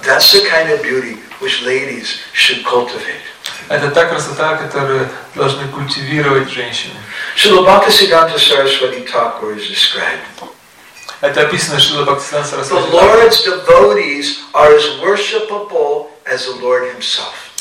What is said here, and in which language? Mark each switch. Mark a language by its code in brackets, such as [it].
[en] That's the kind of beauty which ladies should cultivate. [ru] Это та красота, которую должны культивировать женщины. [en] Шрила Бхактисиддханта Сарасвати Тхакур is described. [ru] Это описано Шрила Бхактисиддханта Сарасвати. [en] The Lord's devotees are as worshipable as the Lord Himself.